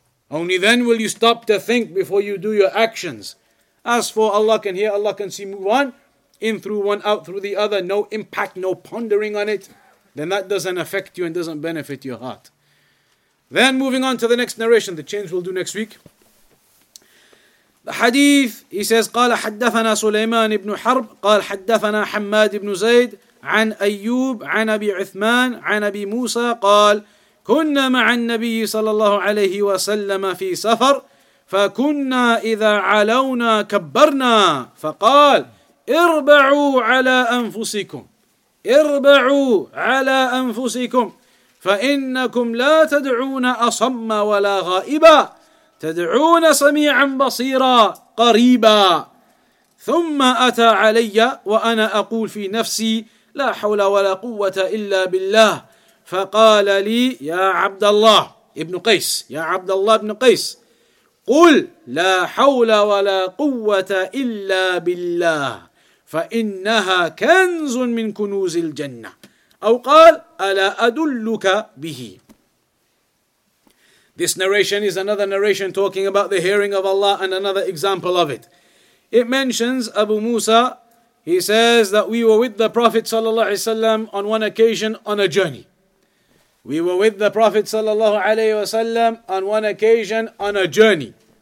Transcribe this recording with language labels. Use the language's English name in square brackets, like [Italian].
[English] Only then will you stop to think before you do your actions. As for Allah can hear, Allah can see, move on. In through one, out through the other. No impact, no pondering on it. Then that doesn't affect you and doesn't benefit your heart. Then moving on to the next narration, the change we'll do next week. The hadith, he says, [Arabic] قَالَ حَدَّثَنَا سُلَيْمَانِ بْنُ حَرْبٍ قَالَ حَدَّثَنَا حَمَّادِ بْنُ زَيْدٍ عَنْ أَيُّوبٍ عَنْ أَبِي عُثْمَانٍ عَنْ أَبِي مُوسَى قَالَ كُنَّا مَعَ النَّبِيِّ صَلَى اللَّهُ عَلَيْهِ وَسَلَّمَ فِي سَفَرٍ فَكُنَّا إِذَا عَلَوْنَا كَبَّرْنَا فَقَالَ اِرْبَعُوا عَلَى أَنفُسِكُمْ اِرْبَعُوا عَلَى أَنفُسِكُمْ فَإِنَّكُمْ لَا تَدْعُونَ أَصَمَّ وَلَا غَائِبًا تدعون سميعا بصيرا قريبا ثم أتى علي وأنا أقول في نفسي لا حول ولا قوة إلا بالله فقال لي يا عبد الله ابن قيس يا عبد الله ابن قيس قل لا حول ولا قوة إلا بالله فإنها كنز من كنوز الجنة أو قال ألا أدلك به. [English] This narration is another narration talking about the hearing of Allah and another example of it. It mentions Abu Musa, he says that we were with the Prophet sallallahu alaihi wasallam on one occasion on a journey. We were with the Prophet sallallahu alaihi wasallam on one occasion on a journey.